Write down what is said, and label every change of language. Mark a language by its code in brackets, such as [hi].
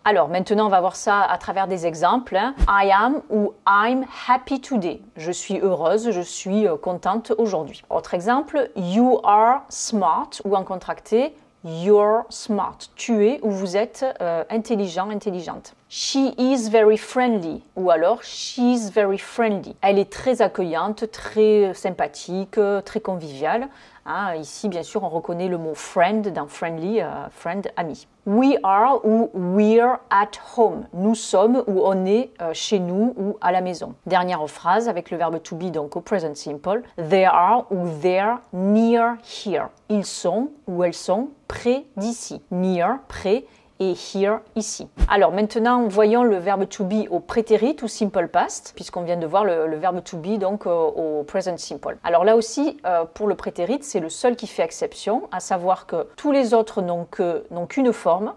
[fr] Alors maintenant, on va voir ça à travers des exemples. Hein. [en] I am [fr] ou [en] I'm happy today. [fr] Je suis heureuse, je suis contente aujourd'hui. Autre exemple, [en] you are smart [fr] ou en contracté, [en] you're smart. [fr] Tu es ou vous êtes intelligent, intelligente. [en] She is very friendly [fr] ou alors [en] she's very friendly. [fr] Elle est très accueillante, très sympathique, très conviviale. Hein, ici, bien sûr, on reconnaît le mot friend dans friendly, friend, ami. [en] We are [fr] ou [en] we're at home. [fr] Nous sommes ou on est chez nous ou à la maison. Dernière phrase avec le verbe to be, donc au present simple. [en] They are ou they're near here. [fr] Ils sont ou elles sont près d'ici. Near, près. Et here, ici. Alors maintenant, voyons le verbe to be au prétérit ou simple past, puisqu'on vient de voir le verbe to be donc au present simple. Alors là aussi, pour le prétérit, c'est le seul qui fait exception, à savoir que tous les autres n'ont qu'une forme.